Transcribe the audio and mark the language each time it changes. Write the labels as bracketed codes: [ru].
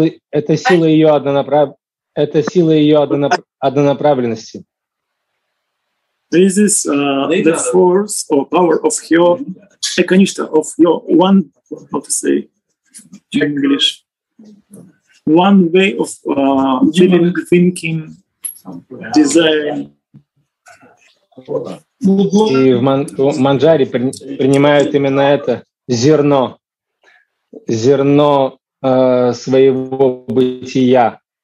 [ru] Это сила ее однонаправленности. [en] This is the force or power of your Ekanishta, of your one, how to say English, one way of living, thinking, desiring. [ru] И в Манджари принимают именно это зерно своего бытия.